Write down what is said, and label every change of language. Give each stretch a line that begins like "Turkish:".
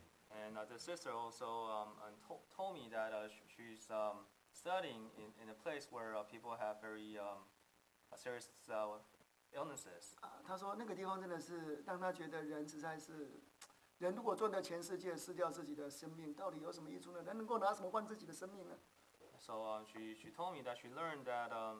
English: And the sister also told me that she's studying in a place where people have very serious illnesses.
Chinese: 她说那个地方真的是让她觉得人实在是，人如果赚到全世界，失掉自己的生命，到底有什么益处呢？人能够拿什么换自己的生命呢
English: ？So she told me that she learned that